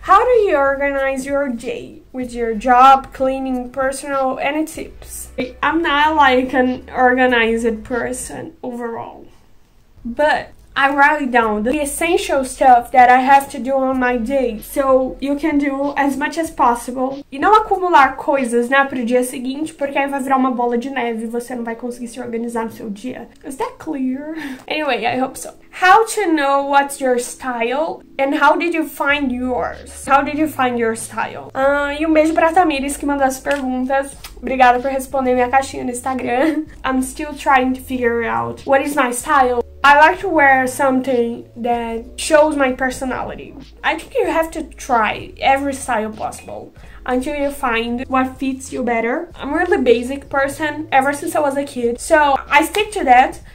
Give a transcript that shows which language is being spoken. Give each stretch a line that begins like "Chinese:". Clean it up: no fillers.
English: How do you organize your day with your job, cleaning, personal, any tips? I'm not like an organized person overall, but I write down the essential stuff that I have to do on my day, so you can do as much as possible.
Portuguese: E não acumular coisas, né, pro dia seguinte, porque aí vai virar uma bola de neve e você não vai conseguir se organizar no seu dia.
English: Is that clear? Anyway, I hope so. How to know what's your style and how did you find yours? How did you find your style?
Portuguese: E um beijo pra Tamires que mandou as perguntas. Obrigada por responder minha caixinha no Instagram.
English: I'm still trying to figure out what is my style. I like to wear something that shows my personality. I think you have to try every style possible until you find what fits you better. I'm a really basic person ever since I was a kid, so I stick to that.